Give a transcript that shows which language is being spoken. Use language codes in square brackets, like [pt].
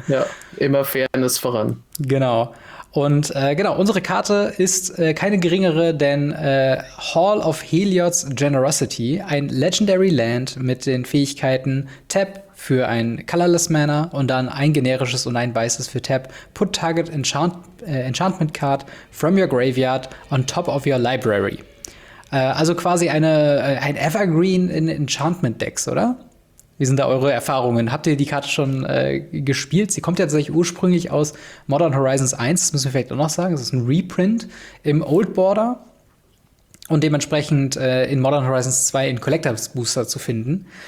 [de] Ja, immer Fairness voran. Genau. Und genau, unsere Karte ist keine geringere, denn Hall of Heliots Generosity, ein Legendary Land mit den Fähigkeiten Tap für ein Colorless Mana und dann ein generisches und ein weißes für Tap. [en] Put Target Enchantment Card from your Graveyard on top of your Library. [de] Also quasi ein Evergreen in Enchantment Decks, oder? Wie sind da eure Erfahrungen? Habt ihr die Karte schon gespielt? Sie kommt ja tatsächlich ursprünglich aus Modern Horizons 1, das müssen wir vielleicht auch noch sagen. Es ist ein Reprint im Old Border und dementsprechend in Modern Horizons 2 in Collectors Booster zu finden.